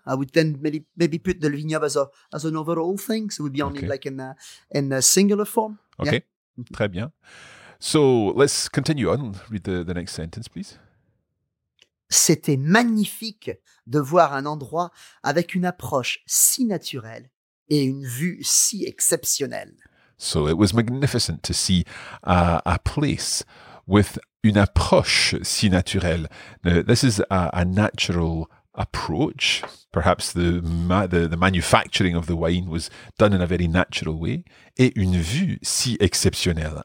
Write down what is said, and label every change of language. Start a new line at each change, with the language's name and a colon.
English: I would then maybe put the vignoble as an overall thing. So it would be only like in a singular form. Okay. Yeah.
French: Très bien.
English: So let's continue on. Read the next sentence, please.
French: C'était magnifique de voir un endroit avec une approche si naturelle. Et une vue si exceptionnelle.
English: So it was magnificent to see a place with
French: une approche si naturelle.
English: Now, this is a natural approach. Perhaps the manufacturing of the wine was done in a very natural way.
French: Et une vue si exceptionnelle.